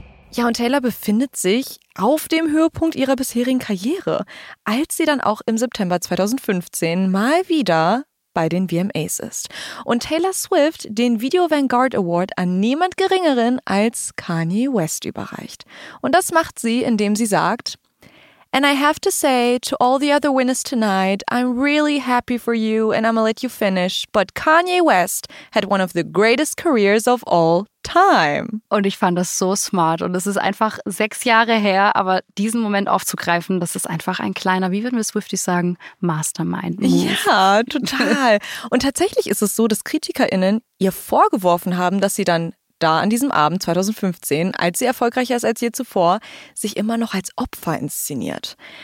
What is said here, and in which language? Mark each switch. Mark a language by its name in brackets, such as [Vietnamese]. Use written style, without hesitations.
[German] Ja, und Taylor befindet sich auf dem Höhepunkt ihrer bisherigen Karriere, als sie dann auch im September 2015 mal wieder bei den VMAs ist und Taylor Swift den Video Vanguard Award an niemand Geringeren als Kanye West überreicht. Und das macht sie, indem sie sagt, [English] And I have to say to all the other winners tonight, I'm really happy for you and I'm gonna let you finish, but Kanye West had one of the greatest careers of all time. [German] Und ich fand das so smart und es ist einfach 6 Jahre her, aber diesen Moment aufzugreifen, das ist einfach ein kleiner, wie würden wir Swifties sagen, Mastermind-Move. Ja, total. Und tatsächlich ist es so, dass KritikerInnen ihr vorgeworfen haben, dass sie dann da an diesem Abend 2015, als sie erfolgreicher ist als je zuvor, sich immer noch als Opfer inszeniert.